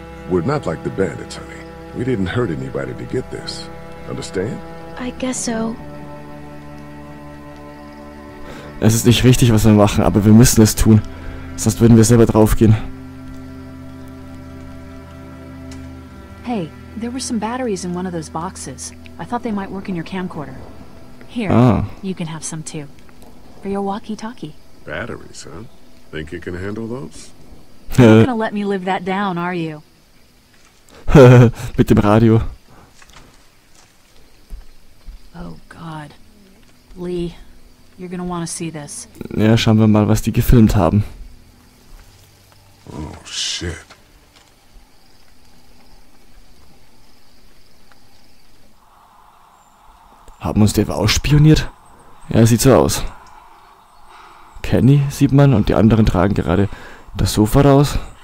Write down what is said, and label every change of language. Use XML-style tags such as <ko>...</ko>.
<en>We're not like the bandits, honey. We didn't hurt anybody to get this. Understand? I guess so.</en> <de>Es ist nicht richtig, was wir machen, aber wir müssen es tun. Sonst würden wir selber draufgehen.</de> <en>Hey, there were some batteries in one of those boxes. I thought they might work in your camcorder. Here, you can have some too. For your walkie-talkie. Batteries, huh? Think you can handle those? You're not gonna let me live that down, are you?</en> <de>Mit dem Radio.</de> <en>Oh God, Lee, you're gonna want to see this.</en> <de>Ja, schauen wir mal, was die gefilmt haben.</de> <en>Oh shit.</en> <de>Haben uns die ausspioniert? Ja, sieht so aus. Kenny sieht man und die anderen tragen gerade das Sofa raus.</de>